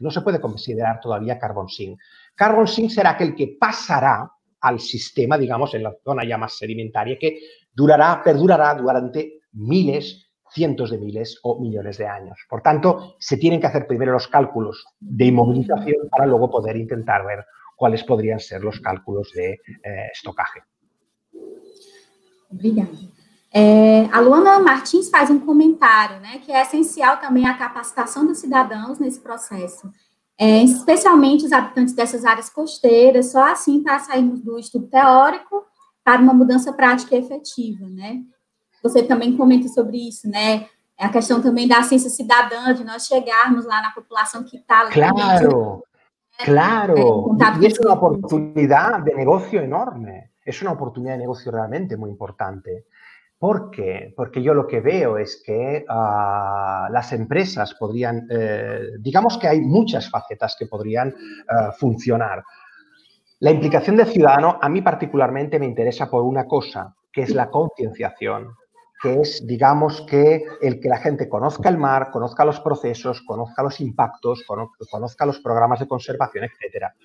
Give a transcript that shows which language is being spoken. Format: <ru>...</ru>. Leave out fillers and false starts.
<es>No se puede considerar todavía carbon sink. Carbon sink será aquel que pasará al sistema, digamos, en la zona ya más sedimentaria, que perdurará durante miles, cientos de miles o millones de años. Por tanto, se tienen que hacer primero los cálculos de inmovilización para luego poder intentar ver cuáles podrían ser los cálculos de estocaje.</es> <pt>Obrigado. É, a Luana Martins faz comentário, né, que é essencial também a capacitação dos cidadãos nesse processo, especialmente os habitantes dessas áreas costeiras, só assim para sairmos do estudo teórico para uma mudança prática e efetiva, né? Você também comenta sobre isso, né? É a questão também da ciência cidadã, de nós chegarmos lá na população que está... Claro, né? Claro, isso é uma oportunidade de negócio enorme, é uma oportunidade de negócio realmente muito importante.</pt> <es>¿Por qué? Porque yo lo que veo es que las empresas podrían, digamos que hay muchas facetas que podrían funcionar. La implicación del ciudadano a mí particularmente me interesa por una cosa, que es la concienciación, que es, digamos, que el que la gente conozca el mar, conozca los procesos, conozca los impactos, conozca los programas de conservación, etc.</es>